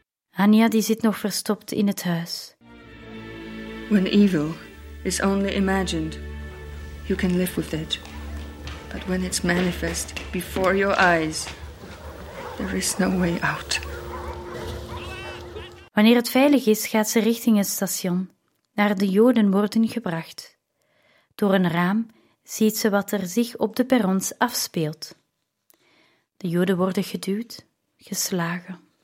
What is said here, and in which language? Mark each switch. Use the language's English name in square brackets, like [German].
[Dutch] Hania die zit nog verstopt in het huis. [English] When evil is only imagined, you can live with it. But when it's manifest before your eyes, there is no way out. [Dutch] Wanneer het veilig is, gaat ze richting het station, naar de Joden worden gebracht. Door een raam ziet ze wat er zich op de perrons afspeelt. De Joden worden geduwd, geslagen.